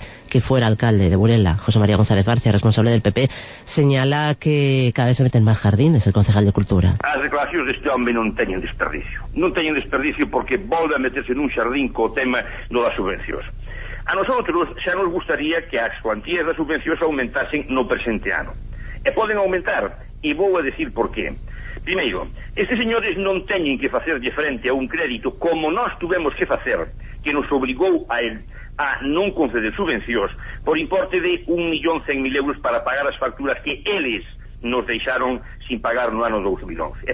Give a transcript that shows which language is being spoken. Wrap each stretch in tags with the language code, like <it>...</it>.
<es>Que fuera alcalde de Burela, José María González Barcia, responsable del PP, señala que cada vez se meten más jardines el concejal de Cultura.</es> <gl>As declaracións deste home non teñen desperdicio. Non teñen desperdicio porque volve a meterse nun xardín co tema das subvencións. A nosotros xa nos gustaría que as cuantías das subvencións aumentasen no presente ano. E poden aumentar, e vou a decir por qué. Primeiro, estes señores non teñen que facerlle frente a un crédito como nós tuvemos que facer, que nos obrigou a el a non conceder subvencións por importe de 1.100.000 euros para pagar as facturas que eles nos deixaron sin pagar no ano 2011.</gl>